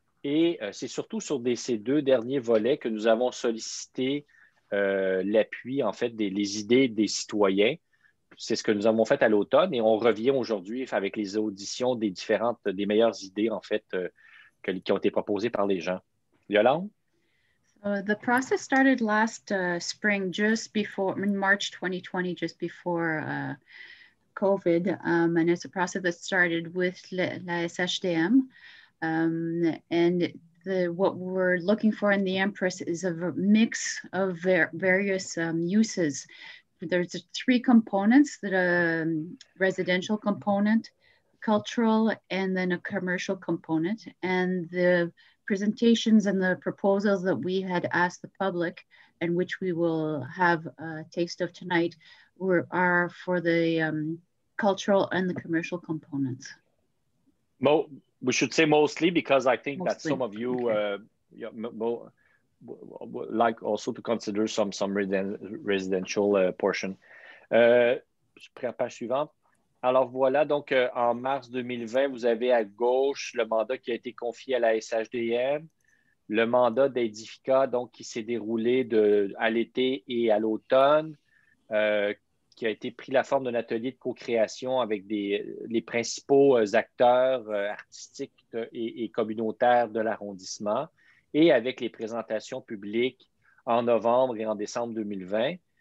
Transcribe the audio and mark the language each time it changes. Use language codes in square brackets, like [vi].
[fr] Et c'est surtout sur ces deux derniers volets que nous avons sollicité l'appui, en fait, les idées des citoyens. C'est ce que nous avons fait à l'automne et on revient aujourd'hui avec les auditions des meilleures idées, en fait, qui ont été proposées par les gens. Yolande? [en] The process started last spring, just before, in March 2020, just before COVID, and it's a process that started with la SHDM, and what we're looking for in the Empress is a mix of various uses. There's three components, the residential component, cultural, and then a commercial component, and the presentations and the proposals that we had asked the public, and which we will have a taste of tonight, are for the cultural and the commercial components. We should say mostly because I think mostly. That some of you like also to consider some residential portion. [fr] Page suivante. Alors voilà, donc en mars 2020, vous avez à gauche le mandat qui a été confié à la SHDM, le mandat d'Edifica, donc qui s'est déroulé à l'été et à l'automne, qui a été pris la forme d'un atelier de co-création avec les principaux acteurs artistiques et communautaires de l'arrondissement et avec les présentations publiques en novembre et en décembre 2020.